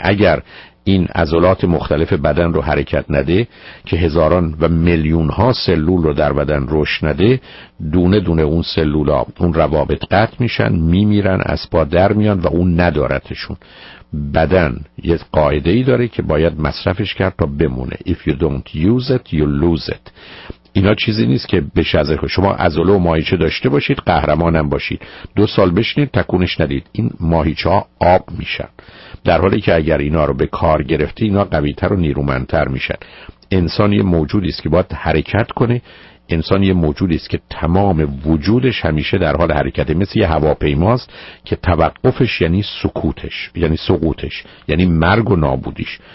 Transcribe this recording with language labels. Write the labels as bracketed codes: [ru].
[fa] اگر این عضلات مختلف بدن رو حرکت نده که هزاران و میلیون ها سلول رو در بدن رشد نده، دونه دونه اون سلول ها اون روابط قطع میشن، میمیرن، از پا در میان و اون ندارتشون. بدن یه قاعده ای داره که باید مصرفش کرد تا بمونه. [en] If you don't use it, you lose it. [fa] اینا چیزی نیست که بشه از شما عضله و ماهیچه داشته باشید، قهرمانم باشید، 2 سال بشینید تکونش ندید، این ماهیچه ها آب میشن. در حالی که اگر اینا رو به کار گرفتی اینا قوی تر و نیرومندتر میشن. انسان یه موجودی است که باید حرکت کنه. انسان یه موجودی است که تمام وجودش همیشه در حال حرکته، مثل یه هواپیماست که توقفش یعنی سکوتش، یعنی سقوطش، یعنی مرگ و نابودیش.